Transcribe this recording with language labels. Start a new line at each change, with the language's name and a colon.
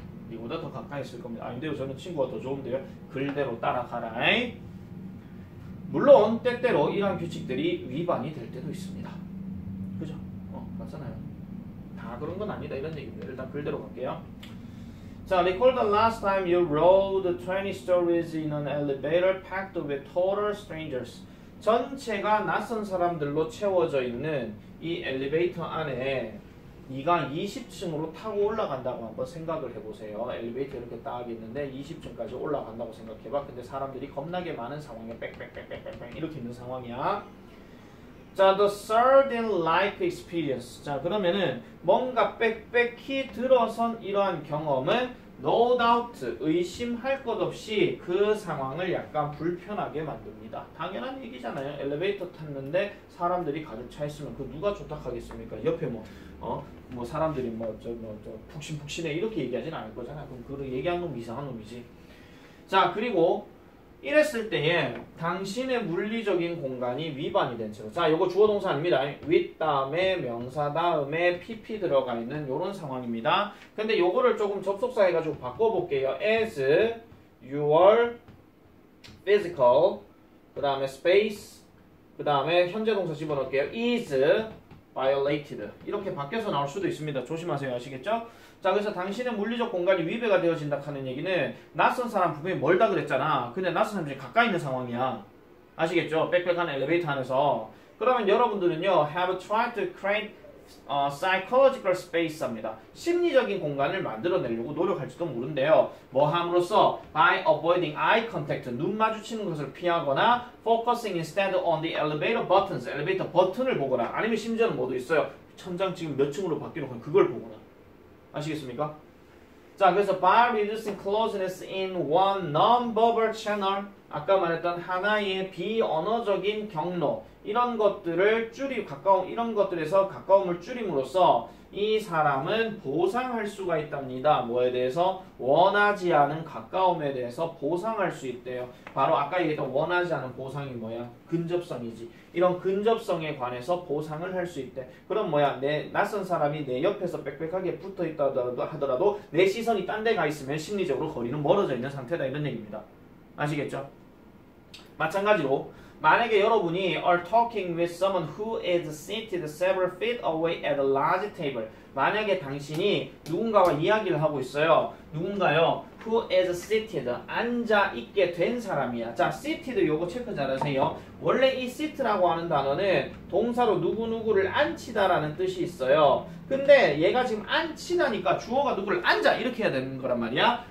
Korean: 이보다 더 가까이 있을 겁니다. 아닌데요. 저는 친구가 더 좋은데요. 글대로 따라가라. 물론 때때로 이러한 규칙들이 위반이 될 때도 있습니다. 그죠? 맞잖아요. 다 그런 건 아니다 이런 얘기입니다. 일단 글대로 갈게요.
English: 자, recall the last time you rode 20 stories in an elevator packed with total strangers.
Korean: 전체가 낯선 사람들로 채워져 있는 이 엘리베이터 안에 네가 20층으로 타고 올라간다고 한번 생각을 해보세요. 엘리베이터 이렇게 딱 있는데 20층까지 올라간다고 생각해봐. 근데 사람들이 겁나게 많은 상황에 빽빽빽빽빽 이렇게 있는 상황이야.
English: 자, the third in life experience.
Korean: 자, 그러면은 뭔가 빽빽히 들어선 이러한 경험은
English: no doubt,
Korean: 의심할 것 없이 그 상황을 약간 불편하게 만듭니다. 당연한 얘기잖아요. 엘리베이터 탔는데 사람들이 가득 차 있으면 그 누가 좋다하겠습니까? 옆에 뭐 사람들이 뭐 푹신푹신해 이렇게 얘기하진 않을 거잖아요. 그럼 그런 얘기한 놈이 이상한 놈이지. 자, 그리고 이랬을 때에 당신의 물리적인 공간이 위반이 된 채로. 자, 이거 주어 동사 아닙니다. 윗 다음에 명사 다음에 PP 들어가 있는 이런 상황입니다. 근데 이거를 조금 접속사 해가지고 바꿔볼게요.
English: As your physical,
Korean: 그 다음에 space, 그 다음에 현재 동사 집어넣을게요.
English: Is violated.
Korean: 이렇게 바뀌어서 나올 수도 있습니다. 조심하세요. 아시겠죠? 자, 그래서 당신의 물리적 공간이 위배가 되어진다 하는 얘기는 낯선 사람 분명히 멀다 그랬잖아. 근데 낯선 사람이 가까이 있는 상황이야. 아시겠죠? 빽빽한 엘리베이터 안에서. 그러면 여러분들은요,
English: have tried to create psychological space
Korean: 합니다. 심리적인 공간을 만들어내려고 노력할지도 모른대요. 뭐 함으로써?
English: By avoiding eye contact,
Korean: 눈 마주치는 것을 피하거나
English: focusing instead on the elevator buttons,
Korean: 엘리베이터 버튼을 보거나 아니면 심지어는 뭐도 있어요? 천장 지금 몇 층으로 바뀌는 건 그걸 보거나. 아시겠습니까? 자, 그래서
English: by reducing closeness in one non-verbal channel,
Korean: 아까 말했던 하나의 비언어적인 경로 이런 것들을 줄이 가까움 이런 것들에서 가까움을 줄임으로써 이 사람은 보상할 수가 있답니다. 뭐에 대해서? 원하지 않은 가까움에 대해서 보상할 수 있대요. 바로 아까 얘기했던 원하지 않은 보상이 뭐야? 근접성이지. 이런 근접성에 관해서 보상을 할 수 있대. 그럼 뭐야? 내 낯선 사람이 내 옆에서 빽빽하게 붙어있다 하더라도 내 시선이 딴 데 가 있으면 심리적으로 거리는 멀어져 있는 상태다 이런 얘기입니다. 아시겠죠? 마찬가지로 만약에 여러분이
English: are talking with someone who is seated several feet away at a large table.
Korean: 만약에 당신이 누군가와 이야기를 하고 있어요. 누군가요?
English: Who is seated?
Korean: 앉아있게 된 사람이야. 자, seated 요거 체크 잘하세요. 원래 이 seat라고 하는 단어는 동사로 누구누구를 앉히다라는 뜻이 있어요. 근데 얘가 지금 앉히다니까 주어가 누구를 앉아 이렇게 해야 되는 거란 말이야.